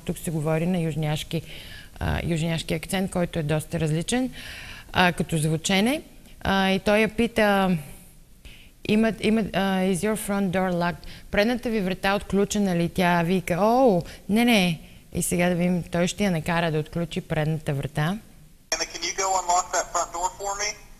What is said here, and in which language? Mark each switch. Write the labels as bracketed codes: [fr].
[bg] Тук се говори на южняшки акцент, който е доста различен като звучене. И той я пита... [en] is your front door locked? [bg] Предната ви врата отключена ли? Тя вика, оу, не, не. И сега да видим, той ще я накара да отключи предната врата. [en] Anna, can you go unlock that front door for me?